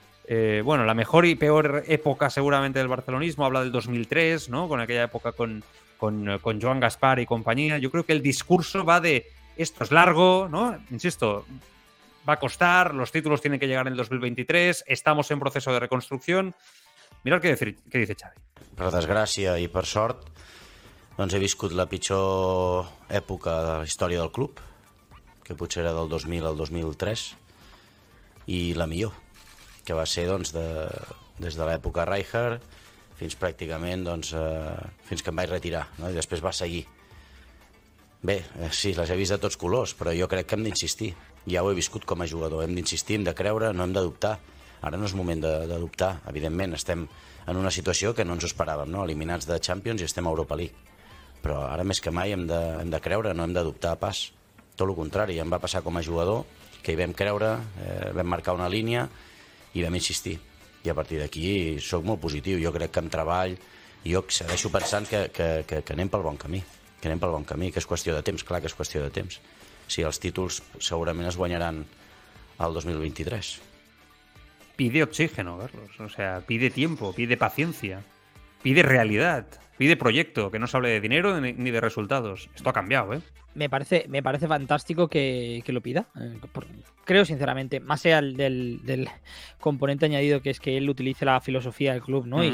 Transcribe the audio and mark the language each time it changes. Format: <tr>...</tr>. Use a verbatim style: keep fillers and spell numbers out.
<es>Eh, bueno, la mejor y peor época seguramente del barcelonismo, habla del dos mil tres, ¿no? Con aquella época con, con, con Joan Gaspar y compañía. Yo creo que el discurso va de esto es largo, ¿no? Insisto, va a costar, los títulos tienen que llegar en el dos mil veintitrés, estamos en proceso de reconstrucción. Mirad qué, decir, qué dice Xavi.</es> <ca>Per desgràcia i per sort, doncs he viscut la pitjor època de la història del club, que potser era del dos mil al dos mil tres, i la millor, que va ser doncs, de, des de l'època Rijkaard fins pràcticament doncs, eh, fins que em vaig retirar, no? I després va seguir. Bé, eh, sí, les he vist de tots colors, però jo crec que hem d'insistir. Ja ho he viscut com a jugador, hem d'insistir, hem de creure, no hem de dubtar. Ara no és moment de, de dubtar, evidentment, estem en una situació que no ens ho esperàvem, no? Eliminats de Champions i estem a Europa League. Però ara més que mai hem de, hem de creure, no hem de dubtar pas. Tot el contrari, em va passar com a jugador que hi vam creure, eh, vam marcar una línia i vam insistir. I a partir d'aquí sóc molt positiu. Jo crec que en treball, jo segueixo pensant que, que, que, que anem pel bon camí, que anem pel bon camí, que és qüestió de temps, clar que és qüestió de temps. Sí, els títols segurament es guanyaran al dos mil vint-i-tres.</ca> <es>Pide oxígeno, Carlos. O sea, pide tiempo, pide paciencia, pide realidad, pide proyecto, que no se hable de dinero ni de resultados. Esto ha cambiado, ¿eh? Me parece, me parece fantástico que, que lo pida. Creo, sinceramente, más allá del, del componente añadido que es que él utilice la filosofía del club, ¿no? Uh-huh.</es>